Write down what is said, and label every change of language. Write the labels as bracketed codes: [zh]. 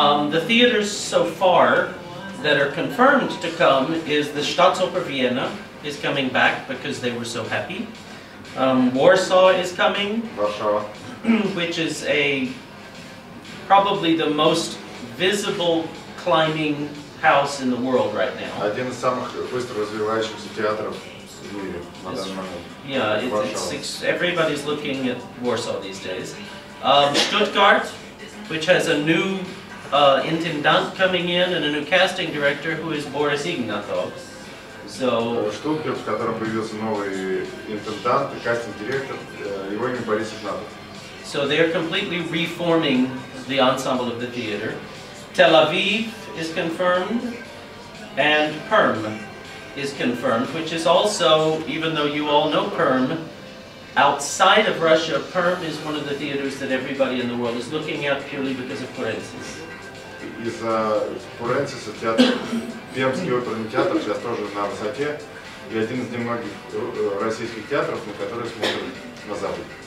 [en] The theaters so far that are confirmed to come is the Staatsoper Vienna is coming back because they were so happy. Warsaw is coming, which is a probably the most visible climbing house in the world right now. [ru] Один из самых быстро развивающихся театров в мире на данный момент. [en] Yeah, everybody's looking at Warsaw these days. Stuttgart, which has a new intendant coming in and a new casting director who is Boris Ignatov. So [ru] Stuttgart, в котором появился новый интендант и кастинг директор, его имя Борис Игнатов. [en] So they are completely reforming the ensemble of the theater. Tel Aviv is confirmed, and Perm is confirmed, which is also, even though you all know Perm, outside of Russia, Perm is one of the theaters that everybody in the world is looking at purely because of Kurensis. [ru] Из Kurensis'а театр, Пермский оперный театр, сейчас тоже на высоте, и один из немногих российских театров, на которые смотрят на Запад.